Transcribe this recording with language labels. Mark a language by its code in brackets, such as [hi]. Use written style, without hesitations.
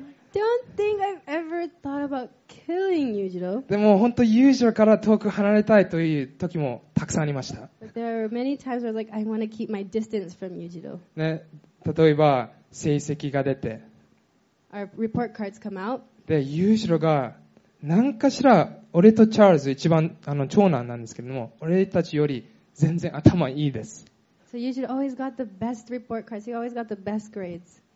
[en] Don't think I've ever thought about killing Yujiro. [ja] でも本当ユージローから遠く離れたいという時もたくさんありました。 [en] There are many times where like I want to keep my distance from Yujiro. [ja] ね、例えば成績が出て、 [en] Our report cards come out. [ja] でユージローが何かしら俺とチャールズ一番長男なんですけれども、俺たちより全然頭いいです。 [en] So Yujiro always got the best report cards. He always got the best grades.